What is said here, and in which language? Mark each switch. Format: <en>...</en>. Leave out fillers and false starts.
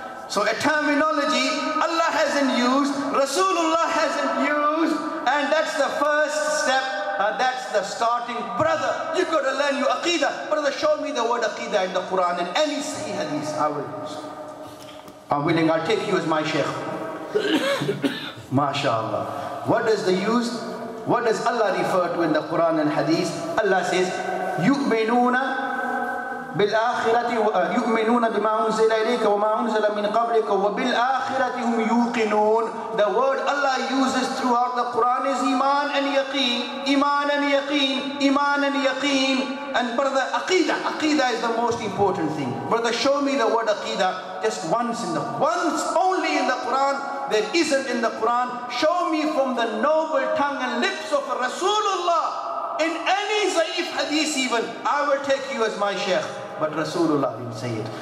<en>So a terminology Allah hasn't used, Rasulullah hasn't used, and that's the first step, that's the starting. Brother, you got to learn your aqidah. Brother, show me the word aqidah in the Quran, and any sahih hadith I will use. I'm willing, I'll take you as my sheikh. MashaAllah. What does the use? What does Allah refer to in the Quran and Hadith? Allah says,</en> <ar>يؤمنون بالآخرة يؤمنون بما أنزل إليك وما أنزل من قبلك وبالآخرة هم يوقنون.</ar> <en>The word Allah uses throughout the Quran is إيمان and يقين.</en> <ar>إيمان and يقين. إيمان and يقين.</ar> <en>And brother, aqidah. Aqidah is the most important thing. Brother, show me the word aqidah just once in the once only in the Quran. There isn't in the Quran. Show me from the noble tongue and lips of Rasulullah in any Zaif hadith even. I will take you as my sheikh. But Rasulullah didn't say it.</en>